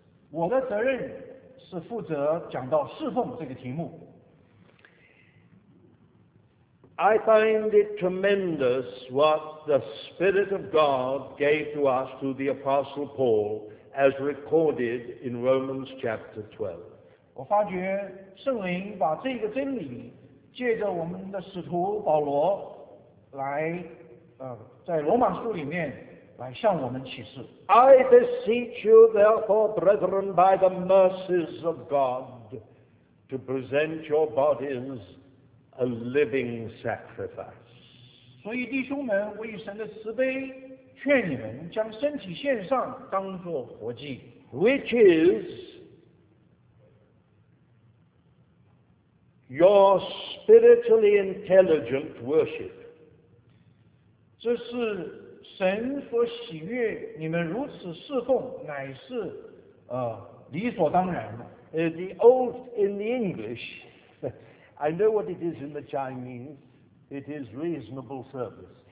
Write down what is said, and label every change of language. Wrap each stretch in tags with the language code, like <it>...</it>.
<zh>我的责任是负责讲到侍奉这个题目。</zh> <en>I find it tremendous what the Spirit of God gave to us through the Apostle Paul, as recorded in Romans chapter 12.</en> <zh>我发觉圣灵把这个真理借着我们的使徒保罗来在罗马书里面来向我们启示。</zh> <en>I beseech you therefore, brethren, by the mercies of God, to present your bodies a living sacrifice.</en> <zh>所以弟兄们，我以神的慈悲劝你们将身体献上，当作活祭。</zh> <en>Which is your spiritually intelligent worship.</en> <zh>这是神所喜悦你们如此侍奉，乃是理所当然的。</zh> <en>The old in the English, I know what it is in the Chinese, it is reasonable service.</en>